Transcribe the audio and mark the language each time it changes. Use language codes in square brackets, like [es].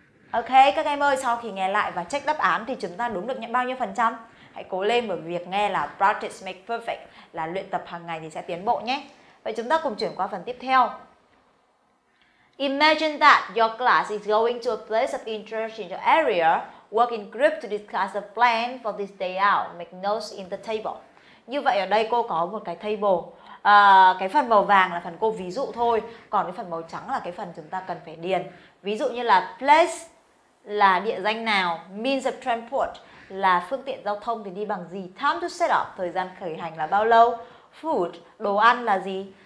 [vi] Ok, các em ơi, sau khi nghe lại và check đáp án thì chúng ta đúng được nhận bao nhiêu phần trăm? Hãy cố lên, bởi việc nghe là [en] practice make perfect, [vi] là luyện tập hàng ngày thì sẽ tiến bộ nhé. Vậy chúng ta cùng chuyển qua phần tiếp theo. [en] Imagine that your class is going to a place of interest in your area. Work in group to discuss the plan for this day out. Make notes in the table. [vi] Như vậy ở đây cô có một cái table. Cái phần màu vàng là phần cô ví dụ thôi. Còn cái phần màu trắng là cái phần chúng ta cần phải điền. Ví dụ như là place là địa danh nào. Means of transport là phương tiện giao thông thì đi bằng gì. Time to set up, thời gian khởi hành là bao lâu. Food, đồ ăn là gì.